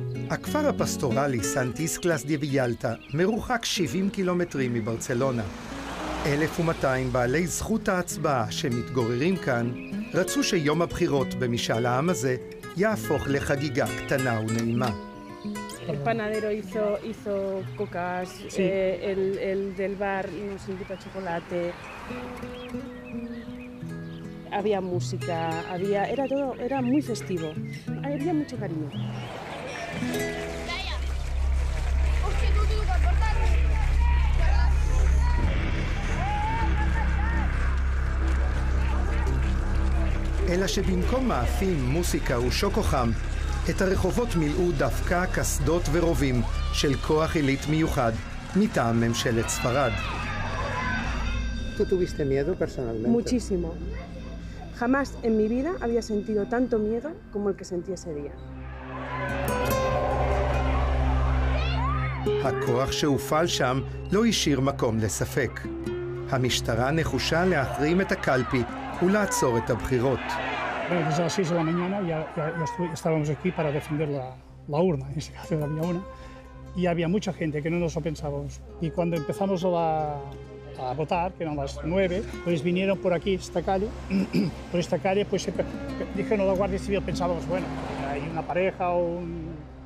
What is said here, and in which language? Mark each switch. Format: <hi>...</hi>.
<he>הכפר הפסטורלי סנט איסקלס דה ויאלטה מרוחק 70 קילומטרים מברצלונה. 1,200 בעלי זכות ההצבעה שמתגוררים כאן רצו שיום הבחירות במשאל העם הזה יהפוך לחגיגה קטנה ונעימה.</he> <es>El panadero hizo cocas, sí. el del bar nos invita a chocolate. Había música, era muy festivo. Había mucho cariño.</es> <he>אלא שבמקום מאפים, מוסיקה ושוקו חם, את הרחובות מילאו דווקא קסדות ורובים של כוח עילית מיוחד מטעם ממשלת ספרד.</he> <es>¿Tú tuviste miedo personalmente? Muchísimo. Jamás en mi vida había sentido tanto miedo como el que sentí ese día.</es> <he>הכוח שהופעל שם לא השאיר מקום לספק. המשטרה נחושה להחרים את הקלפי ולעצור את הבחירות.</he> <es>Bueno, desde las 6 de la mañana ya estábamos aquí para defender la urna, en ese caso había una, y había mucha gente que no nos lo pensábamos. Y cuando empezamos a votar, que eran las 9, pues vinieron por aquí, esta calle, pues dijeron a la Guardia Civil, pensábamos, bueno, hay una pareja o un...</es>